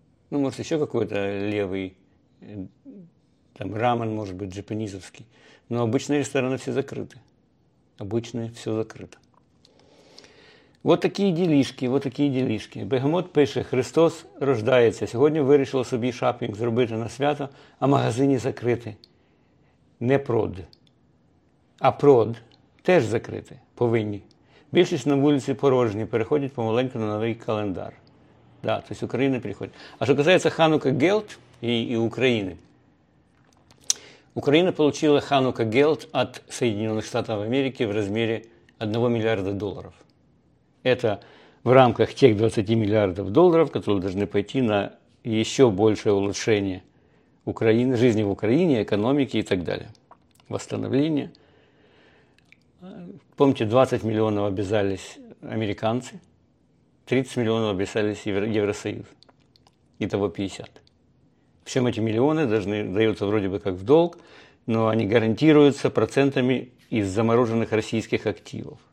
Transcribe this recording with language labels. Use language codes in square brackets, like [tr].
[ru] Ну, может, еще какой-то левый, там, рамен, может быть, джапанизовский. Но обычные рестораны все закрыты. Обычные все закрыто. Вот такие делишки, вот такие делишки. Бегемот пишет, Христос рождается. [uk] Сегодня вырешил собі шапинг зробити на свято, а магазини закрыты. [ru] Не прод. [uk] А прод теж закрыты, повинні. Більшість на вулиці порожні, переходять помаленьку на новий календар. [ru] Да, то есть Україна переходит. [uk] А що касається Ханука Гелд і України. Україна получила Ханука Гелд від Сполучених Штатів Америки в розмірі 1 мільярда доларів. Це в рамках тих 20 мільярдів доларів, які повинні пойти на ще більше улучшення України, життя в Україні, економіки і так далі. [ru] Восстановлення. Помните, 20 миллионов обязались американцы, 30 миллионов обязались Евросоюз, итого 50. Причем эти миллионы должны даются вроде бы как в долг, но они гарантируются процентами из замороженных российских активов.